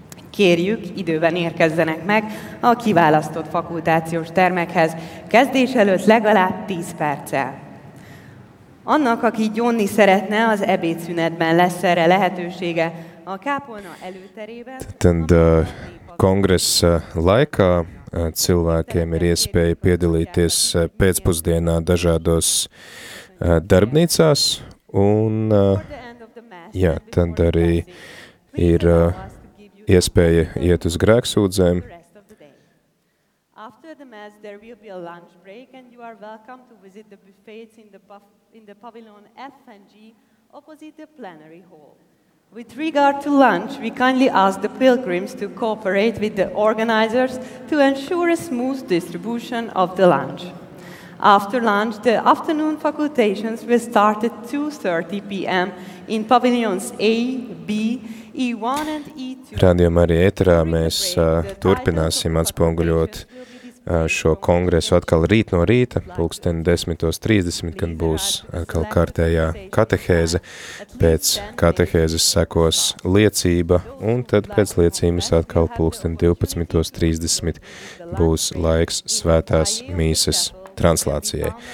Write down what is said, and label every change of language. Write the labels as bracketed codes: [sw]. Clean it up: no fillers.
[hu] Kérjük, időben érkezzenek meg a kiválasztott fakultációs termekhez, kezdés előtt legalább 10 perccel. Annak, aki gyónni szeretne, az ebédszünetben lesz erre lehetősége a kápolna előterében. [lv] Tehát kongressa laikā cilvēkiem ir iespēja piedalīties pēcpusdienā dažādos darbnīcās, un jā, tad arī ir iespēja iet uz grēksūdzēm. [en] After the mass there will be a lunch break and you are welcome to visit the buffets in the pavilion F and G opposite the plenary hall. With regard to lunch, we kindly ask the pilgrims to cooperate with the organizers to ensure a smooth distribution of the lunch. After lunch, the afternoon facultations will start at 2:30 p.m. in pavilions A, B, E1 and E2. [lv] Radio Marija ēterā mēs turpināsim atspoguļot šo kongresu atkal rīt no rīta, pulksteni 10:30, kad būs atkal kārtējā katehēze. Pēc katehēzes sekos liecība, un tad pēc liecības atkal pulksteni 12:30 būs laiks svētās mīses translācijai.